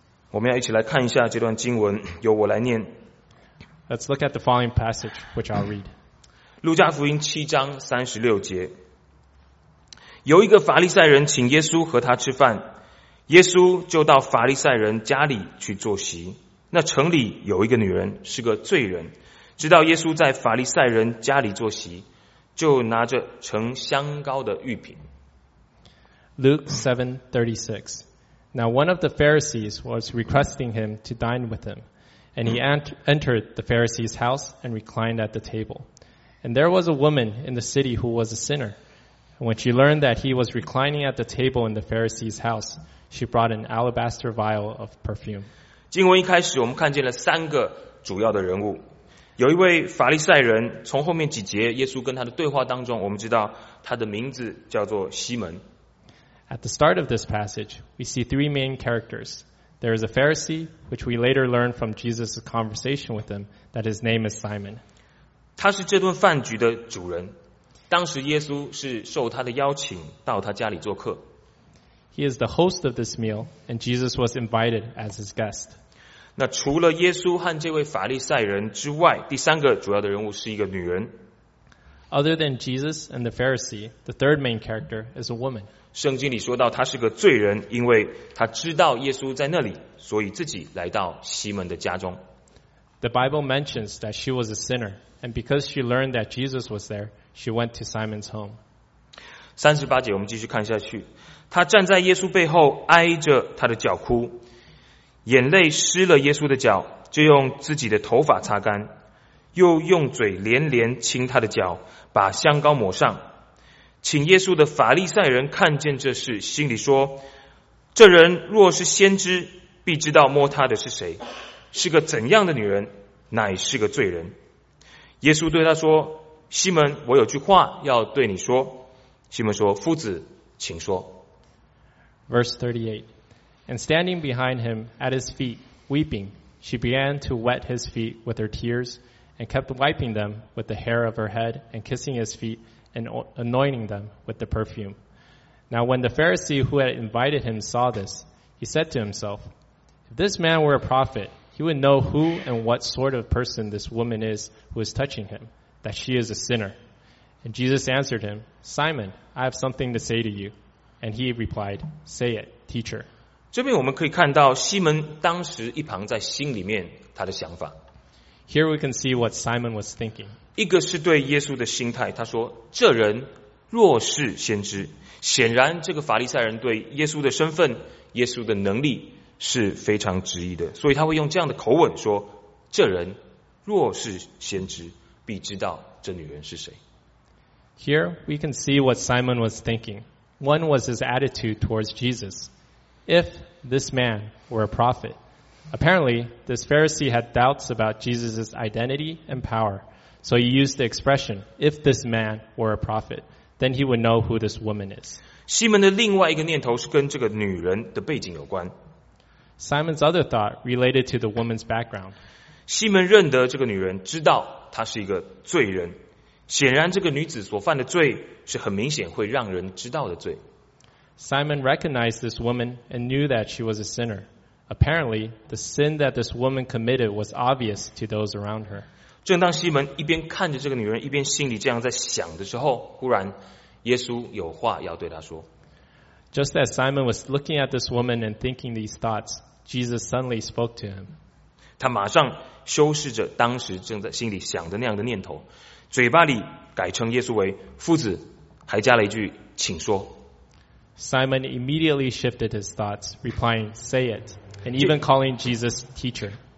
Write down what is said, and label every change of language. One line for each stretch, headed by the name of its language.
Chinese: 我们要一起来看一下这段经文，由我来念。
English: Let's look at the following passage, which I'll read.
Chinese: 路加福音七章三十六节，有一个法利赛人请耶稣和他吃饭，耶稣就到法利赛人家里去坐席。那城里有一个女人是个罪人，知道耶稣在法利赛人家里坐席，就拿着盛香膏的玉瓶。
English: Luke 7:36. Now one of the Pharisees was requesting him to dine with him. And he entered the Pharisee's house and reclined at the table. And there was a woman in the city who was a sinner. And when she learned that he was reclining at the table in the Pharisee's house, she brought an alabaster vial of perfume.
Chinese: 经文一开始我们看见了三个主要的人物。有一位法利赛人，从后面几节耶稣跟他的对话当中，我们知道他的名字叫做西门。
English: At the start of this passage, we see three main characters. There is a Pharisee, which we later learn from Jesus' conversation with him, that his name is Simon.
Chinese: 他是这顿饭局的主人。当时耶稣是受他的邀请到他家里做客。
English: He is the host of this meal, and Jesus was invited as his guest.
Chinese: 那除了耶稣和这位法利赛人之外，第三个主要的人物是一个女人。
English: Other than Jesus and the Pharisee, the third main character is a woman.
Chinese: 圣经里说到他是个罪人，因为他知道耶稣在那里，所以自己来到西门的家中。
English: The Bible mentions that she was a sinner, and because she learned that Jesus was there, she went to Simon's home.
Chinese: 38节我们继续看下去。他站在耶稣背后挨着他的脚哭，眼泪湿了耶稣的脚，就用自己的头发擦干，又用嘴连连亲他的脚，把香膏抹上。请耶稣的法利赛人看见这事，心里说，这人若是先知，必知道摸他的是谁，是个怎样的女人，乃是个罪人。耶稣对他说，西门，我有句话要对你说。西门说，夫子，请说。
English: Verse 38, And standing behind him at his feet, weeping, she began to wet his feet with her tears, and kept wiping them with the hair of her head, and kissing his feet, and anointing them with the perfume. Now when the Pharisee who had invited him saw this, he said to himself, If this man were a prophet, he would know who and what sort of person this woman is who is touching him, that she is a sinner. And Jesus answered him, Simon, I have something to say to you. And he replied, Say it, teacher.
Chinese: 这边我们可以看到西门当时一旁在心里面他的想法。
English: Here we can see what Simon was thinking.
Chinese: 一个是对耶稣的心态，他说，这人若是先知，显然这个法利赛人对耶稣的身份，耶稣的能力是非常质疑的，所以他会用这样的口吻说，这人若是先知，必知道这女人是谁。
English: Here we can see what Simon was thinking. One was his attitude towards Jesus. If this man were a prophet, apparently this Pharisee had doubts about Jesus' identity and power. So he used the expression, if this man were a prophet, then he would know who this woman is.
Chinese: 西门的另外一个念头是跟这个女人的背景有关。
English: Simon's other thought related to the woman's background.
Chinese: 西门认得这个女人，知道她是一个罪人。显然这个女子所犯的罪是很明显会让人知道的罪。
English: Simon recognized this woman and knew that she was a sinner. Apparently, the sin that this woman committed was obvious to those around her.
Chinese: 正当西门一边看着这个女人，一边心里这样在想的时候，忽然耶稣有话要对她说。
English: Just as Simon was looking at this woman and thinking these thoughts, Jesus suddenly spoke to him.
Chinese: 他马上修饰着当时正在心里想的那样的念头，嘴巴里改称耶稣为夫子，还加了一句，请说。
English: Simon immediately shifted his thoughts, replying, say it, and even calling Jesus teacher.